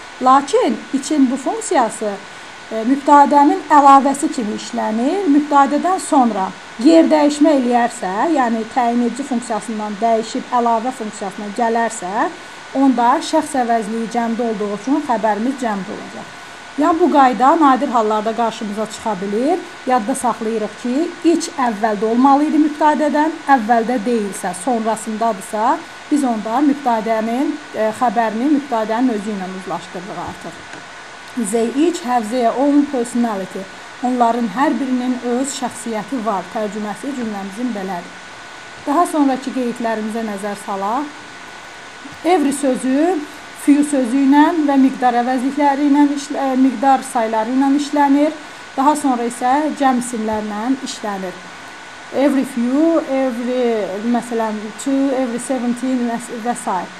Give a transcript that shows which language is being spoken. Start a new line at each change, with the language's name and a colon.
Azerbaijani: Lakin için bu funksiyası mübtədənin əlavəsi kimi işlənir, mübtədədən sonra yer dəyişmə eləyərsə, yəni təyin edici funksiyasından dəyişib əlavə funksiyasına gələrsə, onda şəxs əvəzliyi cəmdə olduğu üçün xəbərimiz cəmdə olacaq. Yəni, bu qayda nadir hallarda qarşımıza çıxa bilir. Yadda saxlayırıq ki, iç əvvəldə olmalı idi mübtədədən, əvvəldə deyilsə, sonrasındadırsa, biz onda mübtədənin xəbərini mübtədənin özü ilə uzlaşdırırıq artıq.
English: They each have their own personality.
Azerbaijani: Onların hər birinin öz şəxsiyyəti var. Tərcüməsi cümləmizin belədir. Daha sonraki qeydlərimizə nəzər salaq. Every sözü few sözü ilə və miqdar əvəzlikləri ilə, miqdar sayları ilə işlənir. Daha sonra isə cəm isimlərlə işlənir. Every few, every, məsələn, two, every 17 və s.